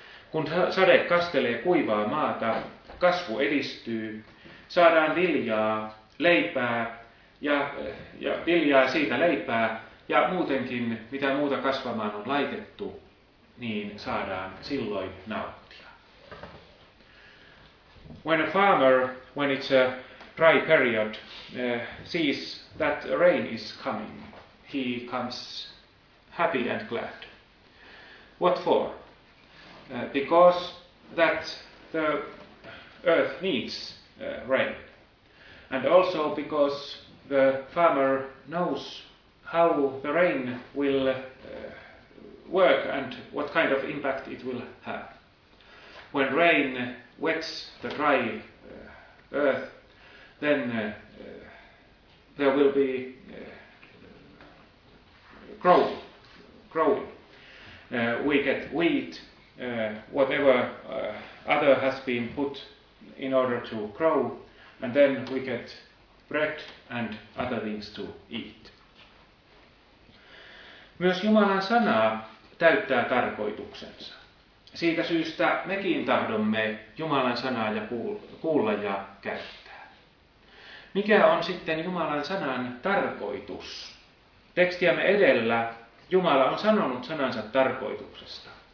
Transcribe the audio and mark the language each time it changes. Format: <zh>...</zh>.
<fi>Kun sade kastelee kuivaa maata, kasvu edistyy, saadaan viljaa, leipää ja viljaa siitä leipää, ja muutenkin, mitä muuta kasvamaan on laitettu, niin saadaan silloin nauttia.</fi> <en>When a farmer, when it's a dry period, sees that rain is coming, he comes happy and glad. What for? Because that the earth needs rain. And also because the farmer knows how the rain will work and what kind of impact it will have. When rain wets the dry earth, then there will be growing. We get wheat, whatever other has been put in order to grow, and then we get bread and other things to eat.</en> <fi>Myös Jumalan sanaa täyttää tarkoituksensa. Siitä syystä mekin tahdomme Jumalan sanaa ja kuulla ja käyttää. Mikä on sitten Jumalan sanan tarkoitus? Tekstiämme edellä Jumala on sanonut sanansa tarkoituksesta.</fi>